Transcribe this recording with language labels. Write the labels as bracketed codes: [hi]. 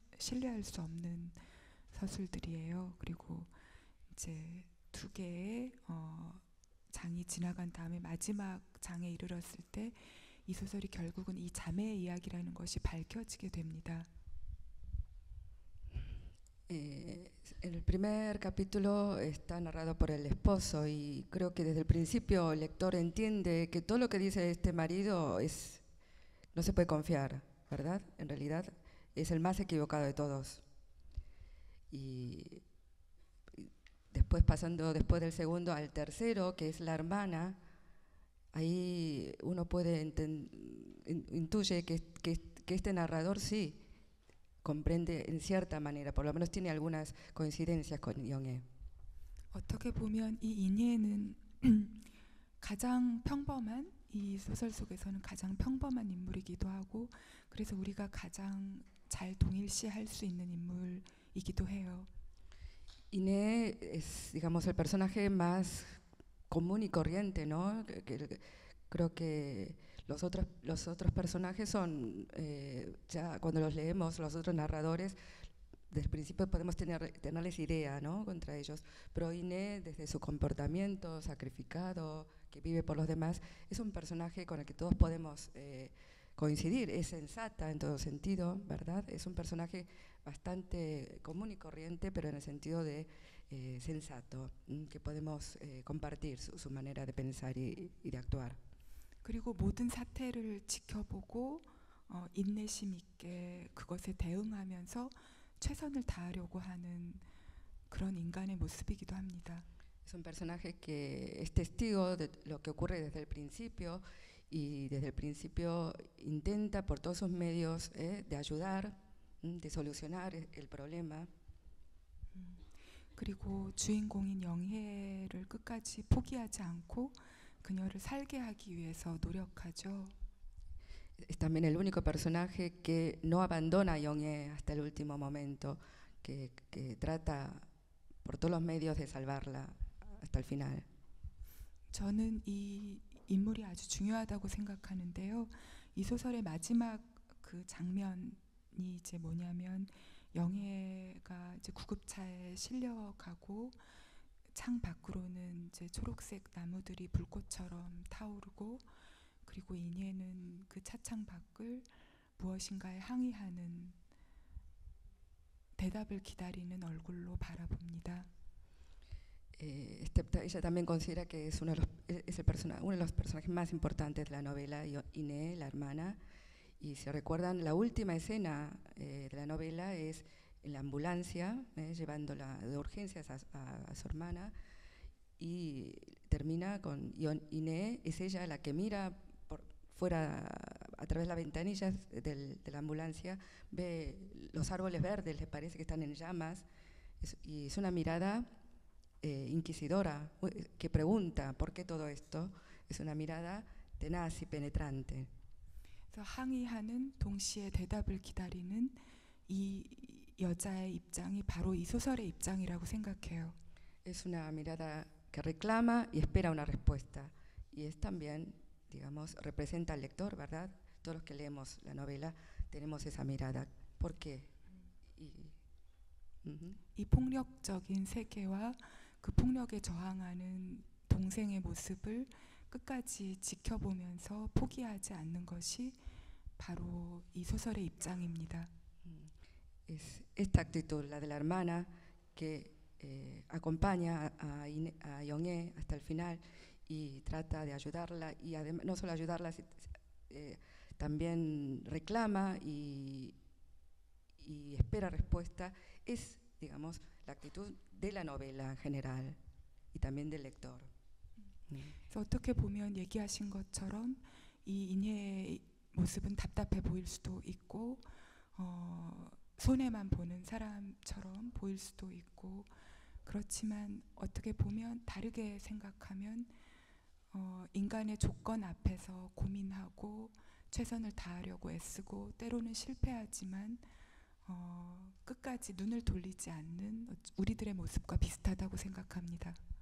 [ko] 신뢰할 수 없는 서술들이에요. 그리고 이제 두 개의 장이 지나간 다음에 마지막 장에 이르렀을 때 이 소설이 결국은 이 자매의 이야기라는 것이 밝혀지게 됩니다. [es] El primer capítulo está narrado por el esposo y creo que desde el principio el lector entiende que todo lo que dice este marido es no se puede confiar, ¿verdad? En realidad es el más equivocado de todos. Y después pasando después del segundo al tercero, que es la hermana, ahí uno puede intuye que este narrador sí comprende en cierta manera, por lo menos tiene algunas coincidencias con Yong-e. [ko] 어떻게 보면 이 인예는 가장 평범한 이 소설 속에서는 가장 평범한 인물이기도 하고 그래서 우리가 가장 잘 동일시할 수 있는 인물이기도 해요. [es] Iné es, digamos, el personaje más común y corriente, ¿no? Creo que los otros personajes son, ya cuando los leemos, los otros narradores, desde el principio podemos tenerles idea, ¿no? Contra ellos. Pero Iné, desde su comportamiento sacrificado, que vive por los demás, es un personaje con el que todos podemos coincidir. Es sensata en todo sentido, ¿verdad? Es un personaje bastante común y corriente, pero en el sentido de sensato, que podemos compartir su manera de pensar y de actuar. [ko] 그리고 모든 사태를 지켜보고 인내심 있게 그것에 대응하면서 최선을 다하려고 하는 그런 인간의 모습이기도 합니다. [es] Es un personaje que es testigo de lo que ocurre desde el principio y desde el principio intenta por todos sus medios de ayudar de solucionar el problema. [ko] 그리고 주인공인 영혜를 끝까지 포기하지 않고 그녀를 살게 하기 위해서 노력하죠. [es] Es también el único personaje que no abandona a Yong-e hasta el último momento, que trata por todos los medios de salvarla hasta el final. [ko] 저는 이 인물이 아주 중요하다고 생각하는데요. 이 소설의 마지막 그 장면 이 이제 뭐냐면 영혜가 이제 구급차에 실려가고 창 밖으로는 이제 초록색 나무들이 불꽃처럼 타오르고 그리고 인혜는 그 차창 밖을 무엇인가에 항의하는 대답을 기다리는 얼굴로 바라봅니다. [es] Ella también considera que es uno de los personajes más importantes de la novela, Iné, la hermana. Y si recuerdan, la última escena de la novela es en la ambulancia, llevándola de urgencias a su hermana, y termina con Iné, es ella la que mira por fuera, a través de las ventanillas de la ambulancia, ve los árboles verdes, le parece que están en llamas, y es una mirada inquisidora, que pregunta por qué todo esto, es una mirada tenaz y penetrante. [ko] 항의하는 동시에 대답을 기다리는 이 여자의 입장이 바로 이 소설의 입장이라고 생각해요. [es] Es una mirada que reclama y espera una respuesta y es también, digamos, representa al lector, ¿verdad? Todos los que leemos la novela tenemos esa mirada. ¿Por qué? [ko] Y 폭력적인 세계와 그 폭력에 저항하는 동생의 모습을 끝까지 지켜보면서 포기하지 않는 것이 바로 이 소설의 입장입니다. [es] Es esta actitud, la de la hermana que acompaña a Yong-hye hasta el final y trata de ayudarla y además no solo ayudarla también reclama y espera respuesta, es digamos la actitud de la novela en general y también del lector. [ko] 어떻게 보면 얘기하신 것처럼 이 인혜의 모습은 답답해 보일 수도 있고 손해만 보는 사람처럼 보일 수도 있고 그렇지만 어떻게 보면 다르게 생각하면 인간의 조건 앞에서 고민하고 최선을 다하려고 애쓰고 때로는 실패하지만 끝까지 눈을 돌리지 않는 우리들의 모습과 비슷하다고 생각합니다.